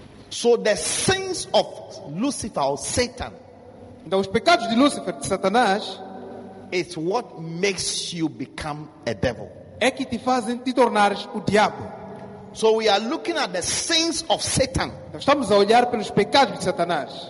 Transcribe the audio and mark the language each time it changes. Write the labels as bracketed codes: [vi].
[en] So the sins of Lucifer or Satan. [pt] Então os pecados de Lucifer, de Satanás, [en] is what makes you become a devil. [pt] É que te fazem te tornares o diabo. [en] So we are looking at the sins of Satan. [pt] Então estamos a olhar pelos pecados de Satanás.